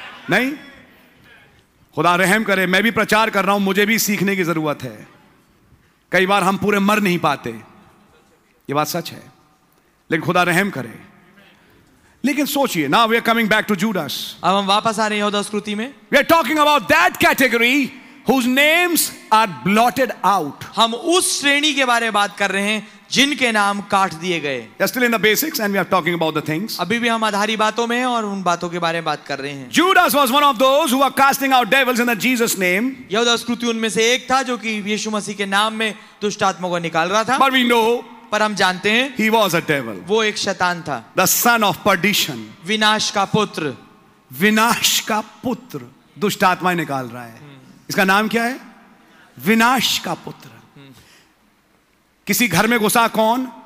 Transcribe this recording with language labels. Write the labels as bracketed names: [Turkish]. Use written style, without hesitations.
[Hindi] नहीं, खुदा रहम करे, मैं भी प्रचार कर रहा हूं, मुझे भी सीखने की जरूरत है. कई बार हम पूरे मर नहीं पाते, ये बात सच है, लेकिन खुदा रहम करे. लेकिन सोचिए, [English] Now we are coming back to Judas. [Hindi] अब हम वापस आ रहे हैं यहूदा स्क्रूती में. [English] We are talking about that category whose names are blotted out. [Hindi] हम उस श्रेणी के बारे में बात कर रहे हैं जिनके नाम काट दिए गए. [English] We are still in the basics and we are talking about the things. [Hindi] अभी भी हम आधारी बातों में हैं और उन बातों के बारे में बात कर रहे हैं. [English] Judas was one of those who were casting out devils in the Jesus name. [Hindi] यहूदा इस्करियोती उनमें से एक था जो कि यीशु मसीह के नाम में दुष्ट आत्माओं को निकाल रहा था. [English] But we know. [Hindi] पर हम जानते हैं. [English] He was a devil. [Hindi] वो एक शैतान था. [English] The son of perdition. [Hindi] विनाश का पुत्र. विनाश का पुत्र दुष्ट आत्माएं निकाल रहा है. इसका नाम क्या है? विनाश का पुत्र. किसी घर में घुसा कौन?